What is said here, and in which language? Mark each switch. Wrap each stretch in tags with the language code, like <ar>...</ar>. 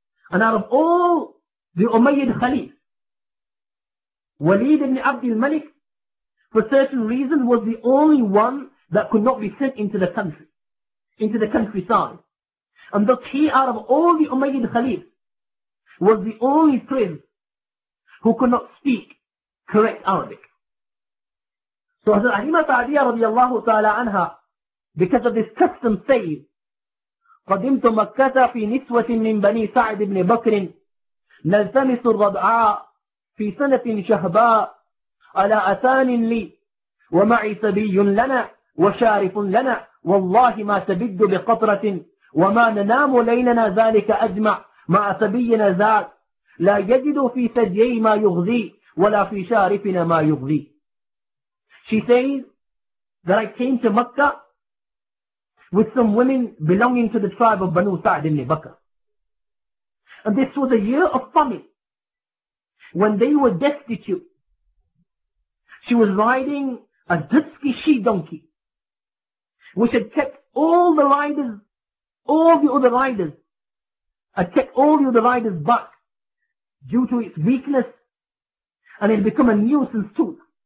<en>And out of all the Umayyad Khalif, Walid ibn Abd al-Malik, for certain reasons, was the only one that could not be sent into the country, into the countryside. And thus he, out of all the Umayyad Khalif, was the only prince who could not speak correct Arabic. So Hazrat Halima Sa'diyah radiallahu ta'ala anha, because of this custom, says,</en> <ar>قَدِمْتُ مَكَّةَ فِي نِسْوَةٍ مِّن بَنِي سَعْدِ بْنِ بَكْرٍ نَلْتَمِسُ الرَّضْعَى فِي سَنَةٍ شَهْبَى عَلَى أَثَانٍ لِي وَمَعِي سَبِيٌّ لَنَا وَشَارِفٌ لَنَا وَاللَّهِ مَا تَبِدُّ بِقَطْرَةٍ وَمَا نَنَامُ لَيْلَنَا ذَلِكَ أَجْمَعَ مَعَ سَبِيِّنَا ذَاك لَا يَجِدُ فِي ثَدْيَيْ مَا يُغْذِي وَلَا فِي شَارِفِنَا مَا يُغْذِي.</ar> <en>She says that I came to Mecca with some women belonging to the tribe of Banu Sa'd ibn Bakr. And this was a year of famine when they were destitute. She was riding a dusky she-donkey which had kept all the riders, all the other riders, had kept all the other riders back due to its weakness and it had become a nuisance too.</en>